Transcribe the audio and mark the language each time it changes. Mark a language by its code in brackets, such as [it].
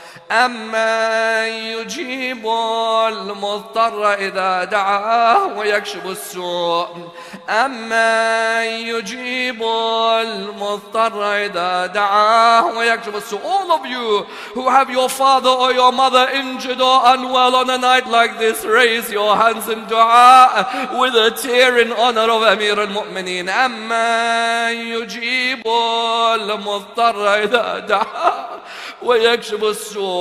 [ar] أمن يجيب المضطر إذا دعاه ويكشف السوء أمن يجيب المضطر إذا دعاه ويكشف السوء. [en] All of you who have your father or your mother injured or unwell on a night like this, raise your hands in dua with a tear in honor of Amir al-Mu'mineen. [ar] أمن يجيب المضطر إذا دعاه ويكشف السوء.